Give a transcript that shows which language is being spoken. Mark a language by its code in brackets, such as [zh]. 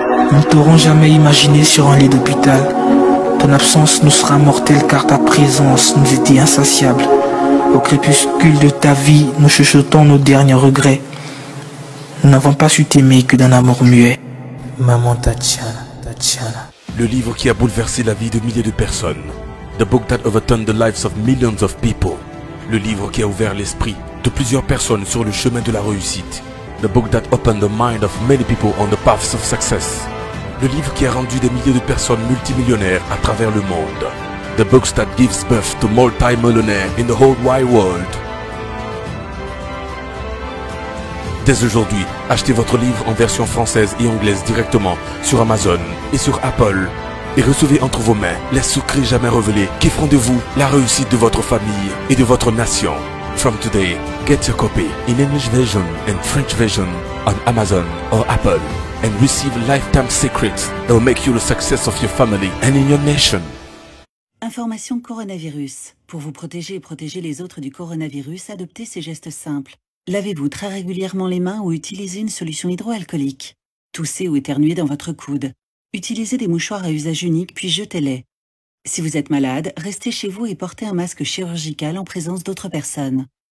[fr] Nous ne t'aurons jamais imaginé sur un lit d'hôpital. Ton absence nous sera mortelle car ta présence nous était insatiable. Au crépuscule de ta vie, nous chuchotons nos derniers regrets. Nous n'avons pas su t'aimer que d'un amour muet. Maman Tatiana, Tatiana. Le livre qui a bouleversé la vie de milliers de personnes. [en] The book that overturned the lives of millions of people. [fr] Le livre qui a ouvert l'esprit de plusieurs personnes sur le chemin de la réussite. [en] The book that opened the mind of many people on the paths of success. [fr] Le livre qui a rendu des milliers de personnes multimillionnaires à travers le monde. [en] The book that gives birth to multi-millionaires in the whole wide world. [fr] Dès aujourd'hui, achetez votre livre en version française et anglaise directement sur Amazon et sur Apple. Et recevez entre vos mains les secrets jamais révélés qui feront de vous la réussite de votre famille et de votre nation. [en] From today, get your copy in English version and French version on Amazon or Apple and receive lifetime secrets that will make you the success of your family and in your nation. [fr] Information coronavirus. Pour vous protéger et protéger les autres du coronavirus, adoptez ces gestes simples. Lavez-vous très régulièrement les mains ou utilisez une solution hydroalcoolique. Toussez ou éternuez dans votre coude. Utilisez des mouchoirs à usage unique puis jetez-les. Si vous êtes malade, restez chez vous et portez un masque chirurgical en présence d'autres personnes.